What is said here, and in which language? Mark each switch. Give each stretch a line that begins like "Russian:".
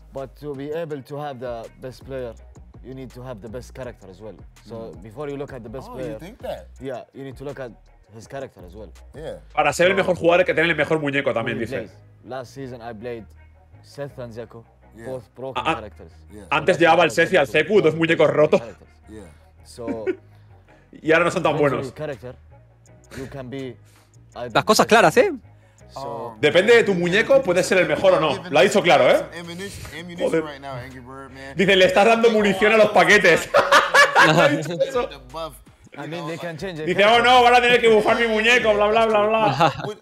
English: But to be able to have the best player, you need to have the best character as well. So before you look at the best player, you think that? Yeah, you need to look at his character as well. Yeah.
Spanish: Para ser el mejor jugador hay que tener el mejor muñeco también, dice.
English: Last season I played Seth and Zeko, both broken characters. Yeah.
Spanish: Antes llevaba al Seth y al Zeko, dos muñecos rotos.
English: Yeah. So
Spanish: y ahora no son tan buenos.
English: You can be
Spanish: las cosas claras, ¿eh? Depende de tu muñeco, puede ser el mejor o no. Lo ha dicho claro, ¿eh? Joder. Dice, le estás dando munición a los paquetes. Dice, oh no, van a tener que bufar mi muñeco, bla, bla, bla, bla.